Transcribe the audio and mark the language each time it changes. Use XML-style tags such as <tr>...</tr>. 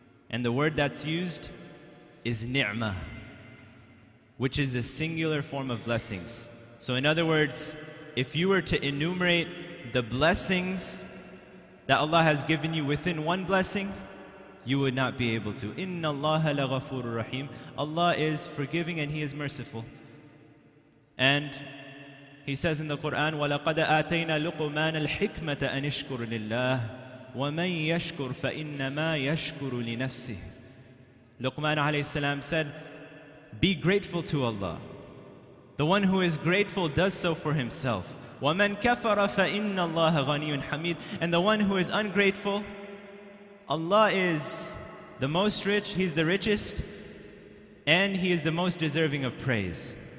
<en>And the word that's used is ni'mah, which is a singular form of blessings. So in other words, if you were to enumerate the blessings that Allah has given you within one blessing, you would not be able to.</en> <ar>Inna Allaha laghafurur rahim.</ar> <en>Allah is forgiving and He is merciful. And He says in the Quran,</en> <ar>وَلَقَدْ آتَيْنَا لُقْمَانَ الْحِكْمَةَ أَنْ اشْكُرُ لِلَّهِ وَمَنْ يَشْكُرُ فَإِنَّمَا يَشْكُرُ لِنَفْسِهِ.</ar> <en>Luqman alayhi salam said, be grateful to Allah. The one who is grateful does so for himself.</en> <ar>وَمَنْ كَفَرَ فَإِنَّ اللَّهَ غَنِيٌّ حَمِيدٌ.</ar> <en>And the one who is ungrateful, Allah is the most rich, He's the richest, and He is the most deserving of praise.</en>